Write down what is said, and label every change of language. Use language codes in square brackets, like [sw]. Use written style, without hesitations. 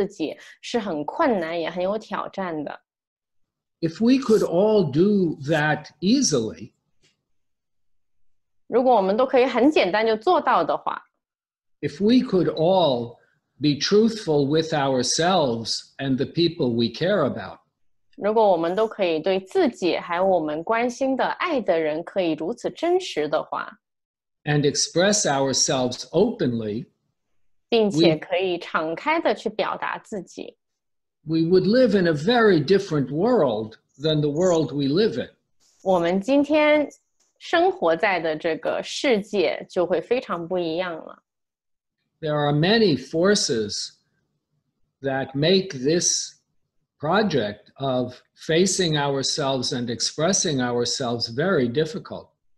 [zh] 那你们也知道要去清晰地了解自己，然后去敞开地表达自己，是很困难，也很有挑战的。 [en] If we could all do that easily, [zh] 如果我们都可以很简单就做到的话, [en] if we could all be truthful with ourselves and the people we care about. [zh] 如果我们都可以对自己还有我们关心的爱的人可以如此真实的话, [en] and express ourselves openly, [zh] 并且可以敞开地去表达自己, [en] we would live in a very different world than the world we live in. [zh] 我们今天生活在的这个世界就会非常不一样了。 [en] There are many forces that make this project of facing ourselves and expressing ourselves very difficult.